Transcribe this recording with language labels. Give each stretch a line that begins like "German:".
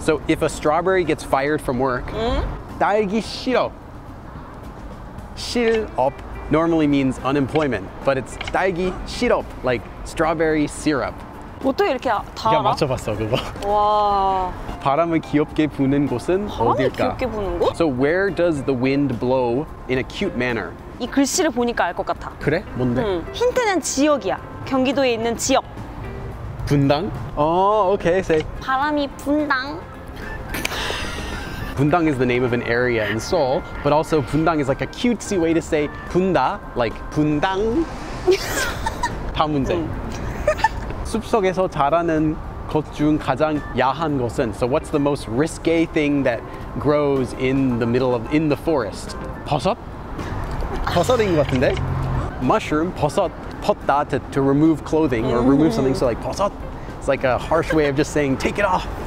English: So if a strawberry gets fired from work,
Korean: 딸기 싫어. 싫어.
English: Normally means unemployment, but it's
Korean: 딸기 싫어.
English: Like strawberry syrup.
Korean: 어떻게 이렇게 다 알아? 야, 맞춰봤어, 그거. 와. 바람을 귀엽게 부는 곳은 바람을 어딜까? 귀엽게 부는 곳?
English: So where does the wind blow in a cute manner?
Korean: 이 글씨를 보니까 알 것 같아. 그래? 뭔데? 힌트는 지역이야. 경기도에 있는 지역. 분당? 어, 오케이, say. 바람이 분당.
English: 분당 is the name of an area in Seoul, but also 분당 is like a cutesy way to say 분다, like 분당. 다음 문제.
Korean: 숲속에서 자라는 것 중 가장 야한 것은?
English: So what's the most risque thing that grows in the middle of, in the forest?
Korean: 버섯? 버섯인 것 같은데? Mushroom, 버섯.
English: 벗다, to remove clothing or remove something, so like 벗어. It's like a harsh way of just saying take it off.